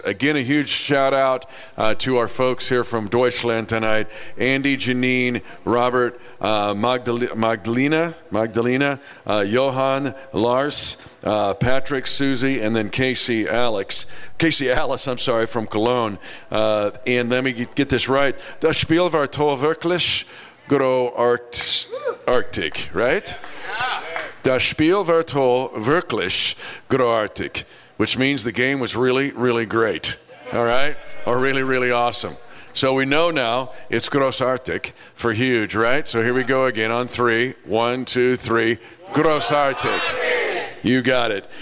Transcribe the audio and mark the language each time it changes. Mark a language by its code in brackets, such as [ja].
[en] Again, a huge shout-out to our folks here from Deutschland tonight, Andy, Janine, Robert, Magdalena, Johan, Lars, Patrick, Susie, and then Casey Alice, from Cologne. And let me get this right. [de] Das Spiel war toll wirklich großartig, [en] right? Yeah. [de] Das Spiel war toll wirklich großartig, [en] which means the game was really, really great, all right, or really, really awesome. So we know now it's großartig for huge, right? So here we go again on three. One, two, three. Großartig. You got it.